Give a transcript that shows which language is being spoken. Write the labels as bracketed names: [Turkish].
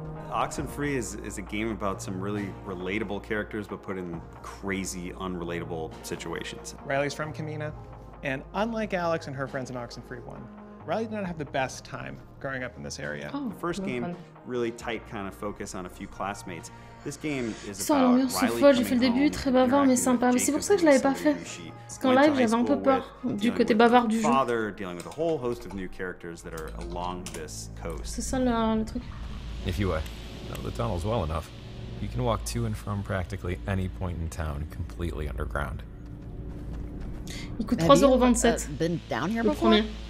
[English] Oxenfree is a game about some really relatable characters, but put in crazy, unrelatable situations. Riley's from Kamina, and unlike Alex and her friends in Oxenfree 1, Riley did not have the best time growing up in this area. Oh, the first game, really tight kind of focus on a few classmates. This game is about Riley coming home. [French] Folle, j'ai fait le début, très bavard, mais sympa. Mais c'est pour ça que je l'avais pas fait. Parce qu'en live, j'avais un peu peur du côté bavard du jeu. [English] Dealing with a whole host of new characters that are along this coast. [French] C'est ça le truc. [English] If you know the tunnels well enough, you can walk to and from practically any point in town completely underground. [French] Il coûte 3,27€. [English] Been down here before?